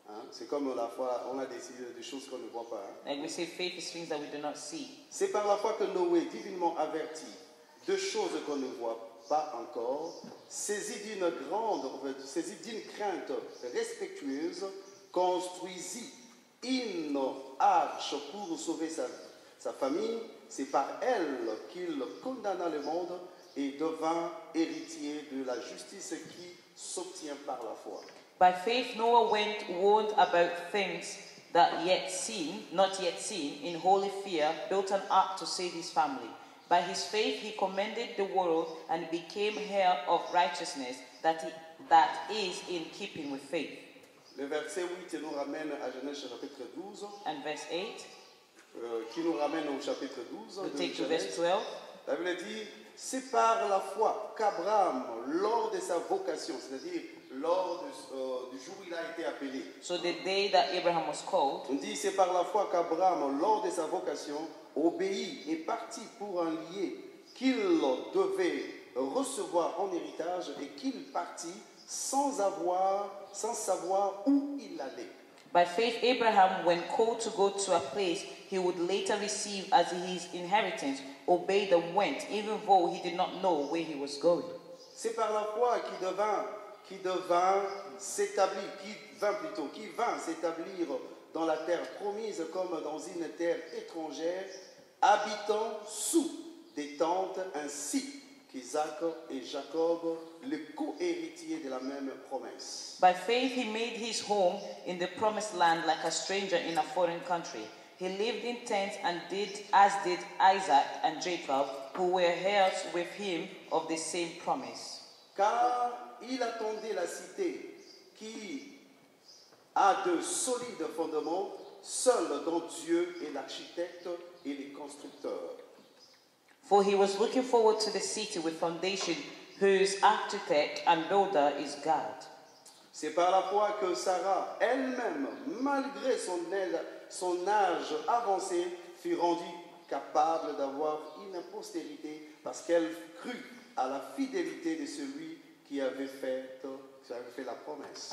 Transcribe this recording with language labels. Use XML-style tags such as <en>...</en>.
<fr>C'est comme la foi, on a décidé des choses qu'on ne voit pas.</fr> <en>Like we say, faith is things that we do not see.</en> <fr>C'est par la foi que Noé, divinement averti de choses qu'on ne voit pas encore, saisi d'une crainte respectueuse, construisit une arche pour sauver sa famille. C'est par elle qu'il condamna le monde et devint héritier de la justice qui s'obtient par la foi.</fr> <en>By faith, Noah went warned about things that not yet seen, in holy fear, built an ark to save his family. By his faith, he commended the world and became heir of righteousness that is in keeping with faith.</en> <fr>Le verset 8 nous ramène à Genèse chapitre 12.</fr> <en>And verse 8.</en> <fr>Qui nous ramène au chapitre 12.</fr> <en>We'll take to verse 12.</en> <fr>La Bible dit, c'est par la foi qu'Abraham, lors de sa vocation, c'est-à-dire du jour où il a été appelé.</fr> <en>So the day that Abraham was called.</en> <fr>On dit c'est par la foi qu'Abraham, lors de sa vocation, obéit et partit pour un lieu qu'il devait recevoir en héritage et qu'il partit sans savoir où il allait.</fr> <en>By faith, Abraham, when called to go to a place he would later receive as his inheritance, obeyed and went, even though he did not know where he was going.</en> <fr>C'est par la foi qui vint s'établir dans la terre promise comme dans une terre étrangère, habitant sous des tentes, ainsi qu'Isaac et Jacob, les co-héritiers de la même promesse.</fr> <en>By faith he made his home in the promised land like a stranger in a foreign country. He lived in tents and did Isaac and Jacob, who were heirs with him of the same promise.</en> <fr>Car il attendait la cité qui a de solides fondements, seul dont Dieu est l'architecte et le constructeur.</fr> <en>For he was looking forward to the city with foundation, whose architect and builder is God.</en> <fr>C'est par la foi que Sarah, elle-même, malgré son âge avancé, fut rendue capable d'avoir une postérité, parce qu'elle crut à la fidélité de celui qui avait fait la promesse.</fr>